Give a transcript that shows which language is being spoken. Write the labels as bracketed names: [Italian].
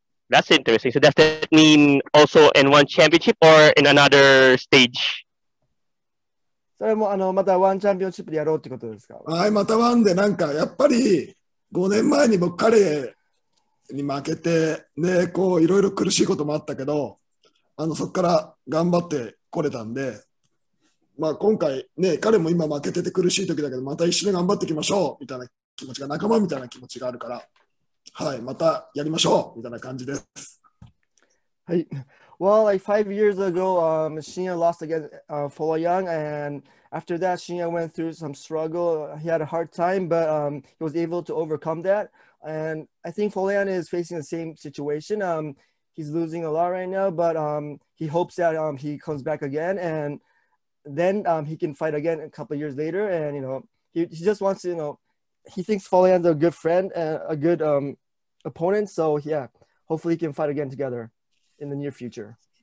[English] That's interesting. So does that mean also in one championship or in another stage? [Japanese] それもまたワンチャンピオンシップでやろうってことですか。はい、またワンで、なんかやっぱり5年前に僕彼に負けて、ね、こういろいろ苦しいこともあったけど、そこから頑張ってこれたんで、まあ今回ね、彼も今負けてて苦しい時だけど、また一緒に頑張っていきましょうみたいな気持ちが、仲間みたいな気持ちがあるから、はい、またやりましょうみたいな感じです。 [English] はい、 Well, like 5 years ago, Shinya lost against Folayang, and after that Shinya went through some struggle. He had a hard time, but he was able to overcome that, and I think Folayang is facing the same situation. He's losing a lot right now, but he hopes that he comes back again andthen he can fight again a couple years later, and he just wants to, he thinks Folayang's a good friend and a good opponent, so yeah, hopefully he can fight again together in the near future.